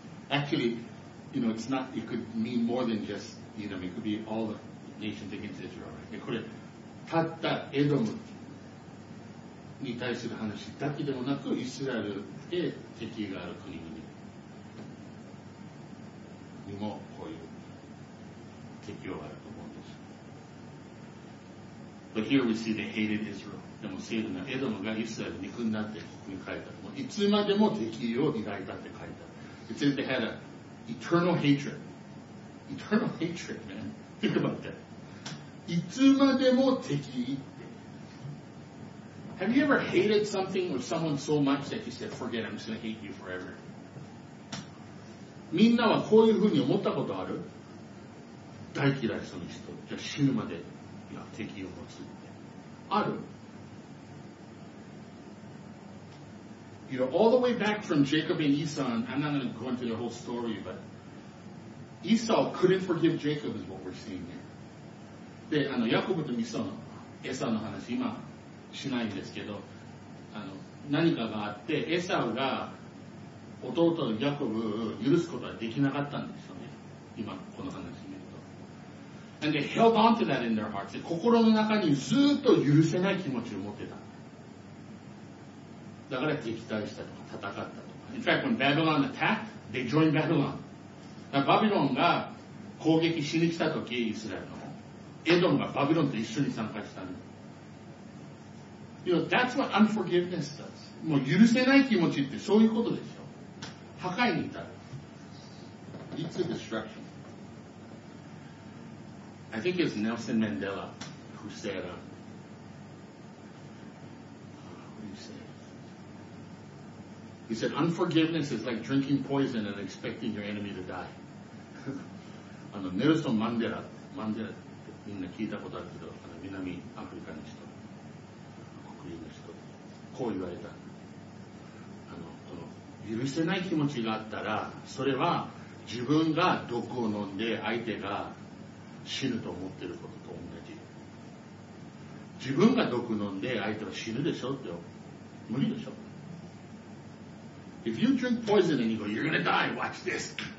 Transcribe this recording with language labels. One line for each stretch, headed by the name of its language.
English: Actually, you know, it could mean more than just Edom. It could be all the nations against Israel, right?
Japanese: これ、たったエドムに対する話だけでもなく、イスラエルへ敵がある国々にもこういう敵をあると思うんです。
English: But here we see the hated Israel.
Japanese: でも、セールのエドムがイスラエル憎んだってここに書いた。いつまでも敵を抱いたって書いた。
English: It says they had an eternal hatred. Eternal hatred, man. Think about that.
Japanese: いつまでも敵って。
English: Have you ever hated something or someone so much that you said, forget, I'm just going to hate you forever?
Japanese: みんなはこういうふうに思ったことある？大嫌いその人。じゃあ死ぬまで、いや、敵を持つって。ある？
English: You know, all the way back from Jacob and Esau, and I'm not going to go into the whole story, but Esau couldn't forgive Jacob is what we're seeing here.
Japanese: で、ヤコブとイサウの、エサウの話、今、しないんですけど、何かがあって、エサウが弟のヤコブを許すことはできなかったんですよね。今、この話見ると。
English: And they held on to that in their hearts.
Japanese: 心の中にずっと許せない気持ちを持ってた。だから敵対したとか戦ったとか。
English: In fact, when Babylon attacked, they joined Babylon.
Japanese: だバビロンが攻撃しに来た時、イスラエルのエドムがバビロンと一緒に参加したの。
English: You know, that's what unforgiveness does.
Japanese: もう許せない気持ちってそういうことでしょ。破壊に至る。
English: It's a destruction. I think it's Nelson Mandela who said, He said, unforgiveness is like drinking poison and expecting your enemy to die.
Japanese: あの、ネルソン・マンデラ、マンデラってみんな聞いたことあるけど、あの南アフリカの人、黒人の人、こう言われた。あの、この、許せない気持ちがあったら、それは自分が毒を飲んで相手が死ぬと思っていることと同じ。自分が毒を飲んで相手は死ぬでしょって、無理でしょ。
English: If you drink poison and you go, you're gonna die, watch this.